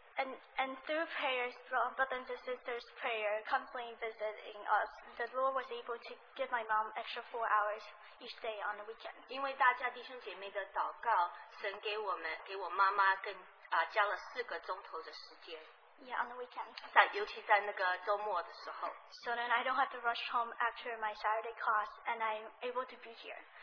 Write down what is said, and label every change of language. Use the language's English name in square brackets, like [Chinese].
[English] So through prayers from brothers and sisters' prayer, constantly visiting us, the Lord was able to give my mom extra 4 hours each day on the weekend. [Chinese] 因为大家弟兄姐妹的祷告，神给我们给我妈妈更加了4个钟头的时间。 [English] Yeah, on the weekend. [Chinese] 尤其在那个周末的时候。 [English] So then I don't have to rush home after my Saturday class, and I'm able to be here.